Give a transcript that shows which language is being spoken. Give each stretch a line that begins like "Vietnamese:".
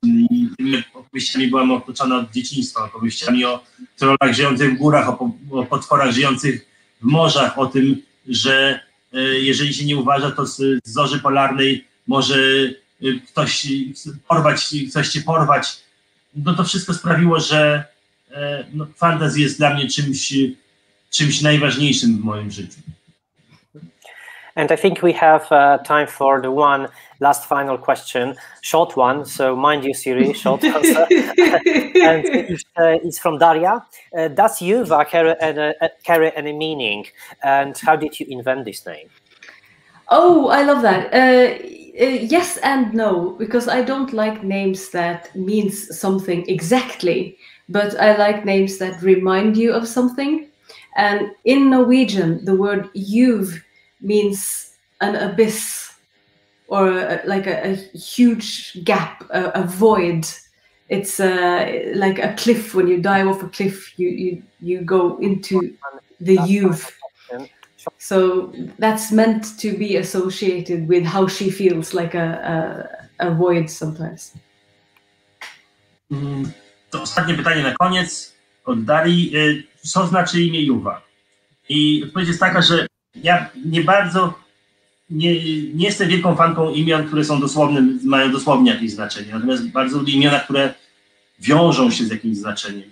Polish: I tymi opowieściami byłam otoczona od dzieciństwa, opowieściami o trollach żyjących w górach, o potworach żyjących w morzach, o tym, że jeżeli się nie uważa, to z zorzy polarnej może ktoś cię porwać. No to wszystko sprawiło, że no, fantasy jest dla mnie czymś najważniejszym w moim życiu.
English: And I think we have time for the one last final question, short one. So mind you, Siri, short answer. And it's from Daria. Does Yuva carry any meaning? And how did you invent this name? Oh, I love that. Yes and no, because I don't like names that means something exactly, but I like names that remind you of something. And in Norwegian, the word Yuv means an abyss or a huge gap, a void. It's like a cliff. When you dive off a cliff, you go into the youth. So that's meant to be associated with how she feels, like a void sometimes.
Polish: To ostatnie pytanie na koniec od Darii. Co znaczy imię Juwa? I odpowiedź jest taka, że ja nie jestem wielką fanką imion, które są dosłowne, mają dosłownie jakieś znaczenie. Natomiast bardzo lubię imiona, które wiążą się z jakimś znaczeniem.